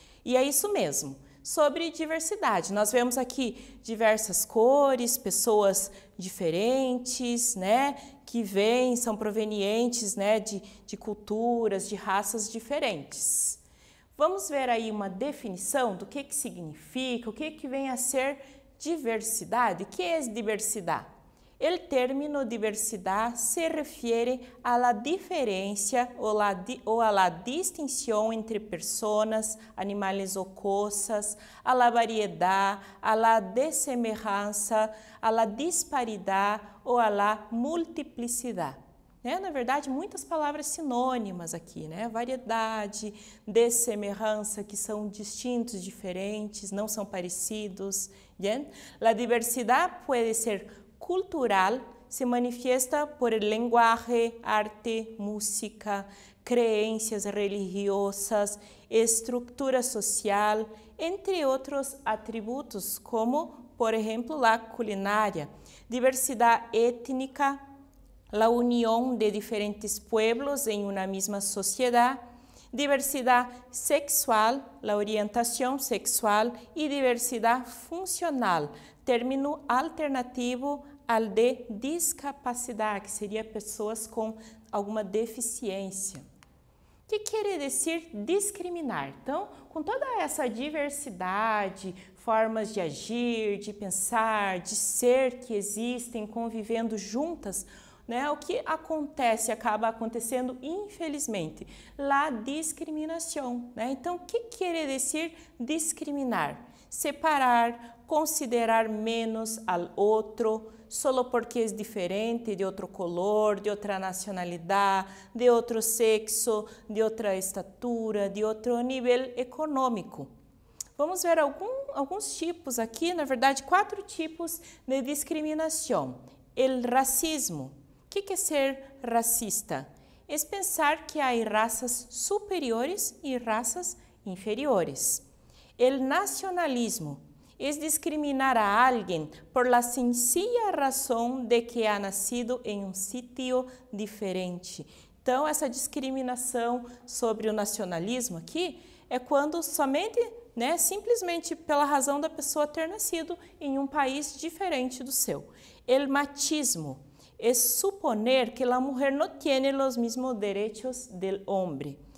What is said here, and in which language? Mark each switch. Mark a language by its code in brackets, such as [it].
[pt] E é isso mesmo, sobre diversidade. Nós vemos aqui diversas cores, pessoas diferentes, né, que vêm, são provenientes, né, de culturas, de raças diferentes. Vamos ver aí uma definição do que significa, o que que vem a ser diversidade. O que é diversidade? [es] El término diversidad se refiere a la diferencia o a la distinción entre personas, animales o cosas, a la variedad, a la desemejanza, a la disparidad o a la multiplicidad. [pt] Né? Na verdade, muitas palavras sinônimas aqui, né? Variedade, dessemejanza, que são distintos, diferentes, não são parecidos. [es] Bien? La diversidad puede ser cultural, se manifiesta por el lenguaje, arte, música, creencias religiosas, estructura social, entre otros atributos, como, por ejemplo, la culinaria, diversidad étnica, la unión de diferentes pueblos en una misma sociedad, diversidad sexual, la orientación sexual y diversidad funcional, término alternativo al de discapacidad, [pt] que seria pessoas com alguma deficiência. O que quer dizer discriminar? Então, com toda essa diversidade, formas de agir, de pensar, de ser que existem convivendo juntas, né, o que acontece, acaba acontecendo, infelizmente, [es] la discriminación, [pt] né? Então, o que quer dizer discriminar? [es] Separar, considerar menos al otro, solo porque es diferente, de otro color, de otra nacionalidad, de otro sexo, de otra estatura, de otro nivel económico. [pt] Vamos ver alguns tipos aqui, na verdade, quatro tipos de discriminación. [es] El racismo. [pt] O que é ser racista? É pensar que há raças superiores e raças inferiores. [es] El nacionalismo. [pt] É discriminar a alguém [es] por la sencilla razón de que ha nacido en un sitio diferente. [pt] Então, essa discriminação sobre o nacionalismo aqui é quando somente, né, simplesmente pela razão da pessoa ter nascido em um país diferente do seu. [es] El machismo é suponer que la mujer no tiene los mismos derechos del hombre.